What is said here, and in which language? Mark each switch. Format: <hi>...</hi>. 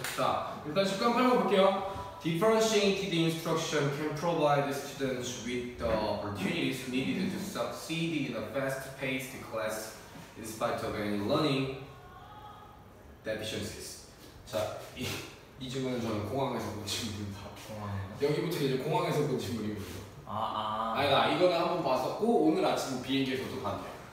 <ko>자, 일단 습관 파고 볼게요.</ko> <en>Differentiated instruction can provide students with the opportunities needed to succeed in a fast-paced class in spite of any learning deficiencies.</en> <ko>자, 이 질문은 저는 공항에서 본 질문입니다. 공항에서? 여기부터 이제 공항에서 본 질문입니다. 아니다, 이거는 한번 봤었고 오늘 아침 비행기에서도 봤네요.</ko>